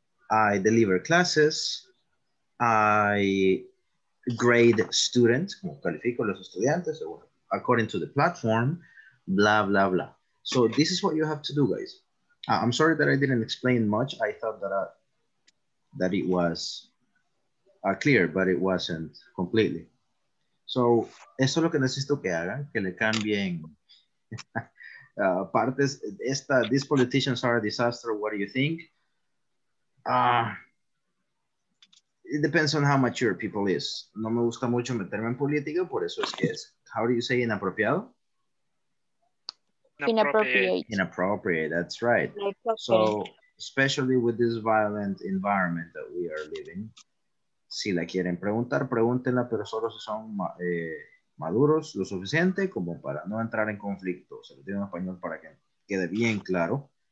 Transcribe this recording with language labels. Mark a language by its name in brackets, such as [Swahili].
[English] I deliver classes. I grade students, [Spanish] como califico los estudiantes, [English] according to the platform, blah, blah, blah. So this is what you have to do, guys. I'm sorry that I didn't explain much. I thought that that it was clear, but it wasn't completely. [Spanish] So eso es lo que necesito que hagan, que le cambien partes. [English] These politicians are a disaster. What do you think? It depends on how mature people is. [Spanish] No me gusta mucho meterme en política, por eso es que es. [English] How do you say inapropiado? Inappropriate. Inappropriate, that's right. Inappropriate. So, especially with this violent environment that we are living. [Spanish] Si la quieren preguntar, pregúntenla, pero solo si son maduros lo suficiente como para no entrar en conflicto. Se lo digo en español para que quede bien claro.